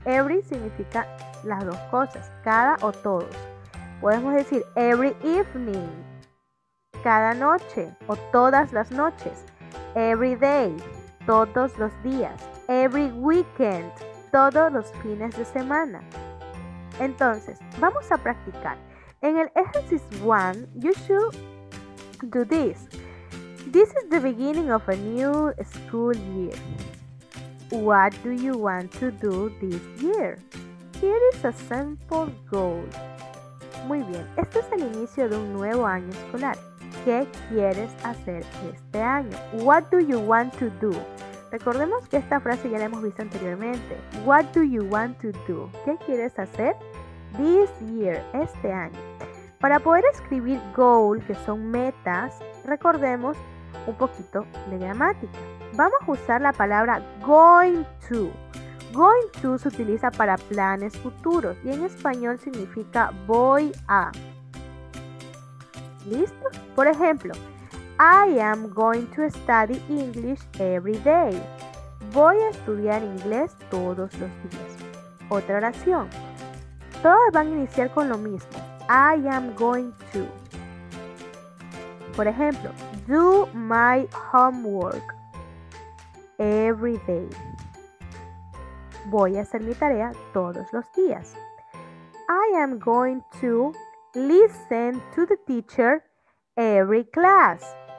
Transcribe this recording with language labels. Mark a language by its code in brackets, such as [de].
[es] Every significa las dos cosas, cada o todos. Podemos decir [en] every evening, [es] cada noche o todas las noches, [en] every day, [es] todos los días, [en] every weekend, [es] todos los fines de semana. Entonces, vamos a practicar. En el [en] exercise 1, you should do this. This is the beginning of a new school year. What do you want to do this year? Here is a simple goal. [es] Muy bien, este es el inicio de un nuevo año escolar. ¿Qué quieres hacer este año? [en] What do you want to do? [es] Recordemos que esta frase ya la hemos visto anteriormente. [en] What do you want to do? [es] ¿Qué quieres hacer? [en] This year, [es] este año. Para poder escribir goal, que son metas, recordemos un poquito de gramática. Vamos a usar la palabra going to. Going to se utiliza para planes futuros y en español significa voy a. ¿Listo? Por ejemplo, [en] I am going to study English every day. [es] Voy a estudiar inglés todos los días. Otra oración. Todas van a iniciar con lo mismo. [en] I am going to. [es] Por ejemplo, [en] do my homework every day. [es] Voy a hacer mi tarea todos los días. [en] I am going to listen to the teacher every class.